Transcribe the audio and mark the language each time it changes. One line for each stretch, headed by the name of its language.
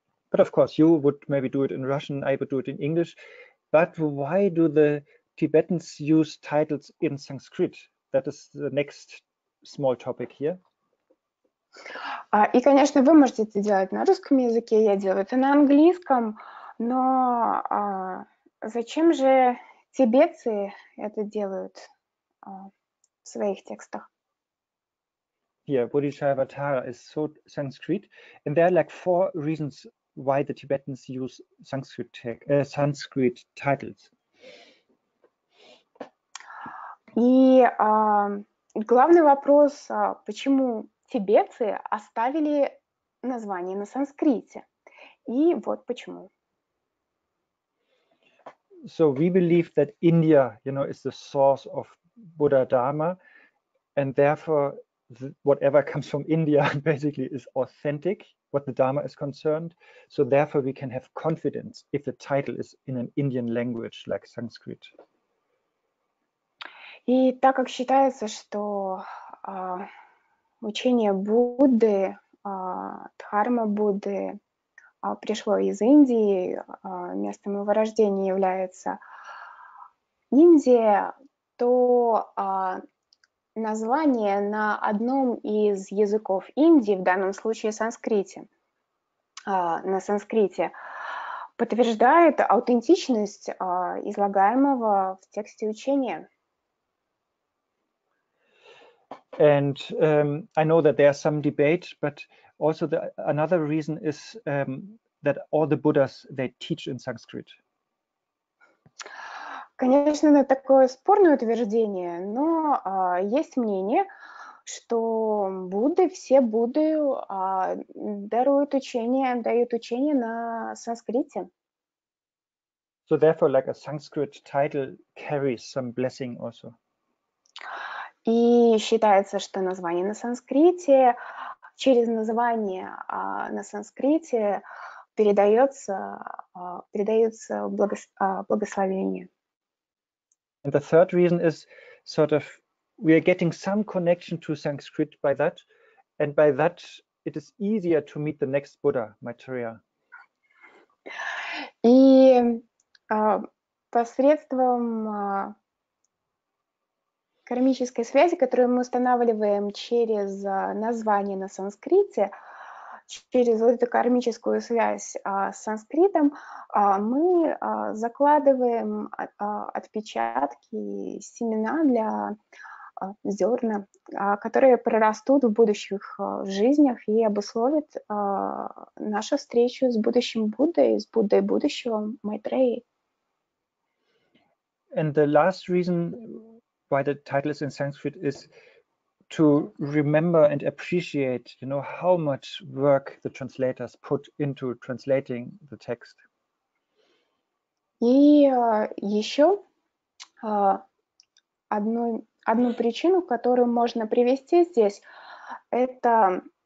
English: But of course, you would maybe do it in Russian, I would do it in English. But why do the Tibetans use titles in Sanskrit? That is the next small topic here.
Russian: И, конечно, вы можете это делать на русском языке, я делаю это на английском, но зачем же тибетцы это делают в своих текстах?
English: Yeah, Bodhisattva-tara is so Sanskrit, and there are like four reasons why the Tibetans use Sanskrit, Sanskrit titles.
Russian: И главный вопрос, почему тибетцы оставили название на санскрите. И вот почему.
English: So we believe that India, you know, is the source of Buddha Dharma, and therefore whatever comes from India basically is authentic, what the Dharma is concerned. So therefore we can have confidence if the title is in an Indian language like Sanskrit.
Russian: И так как считается, что учение Будды, Дхарма Будды пришло из Индии, местом его рождения является Индия, то название на одном из языков Индии, в данном случае санскрите, на санскрите, подтверждает аутентичность излагаемого в тексте учения.
English: And I know that there's some debate, but also the another reason is that all the Buddhas, they teach in Sanskrit.
Russian: Конечно, это такое спорное утверждение, но есть мнение, что Будды, все Будды дают учение на санскрите.
English: So therefore, like a Sanskrit title carries some blessing also.
Russian: И считается, что название на санскрите, через название на санскрите передается благословение.
English: And the third reason is sort of we are getting some connection to Sanskrit by that, and by that it is easier to meet the next Buddha, Maitreya.
Russian: И посредством кармической связи, которую мы устанавливаем через название на санскрите, через вот эту кармическую связь с санскритом, мы закладываем отпечатки, семена для зерна, которые прорастут в будущих жизнях и обусловят нашу встречу с будущим Буддой, с Буддой будущего, Майтреей.
English: And the last reason why the title is in Sanskrit is to remember and appreciate, you know, how much work the translators put into translating the text.
Russian: И еще одну причину, которую можно привести здесь, это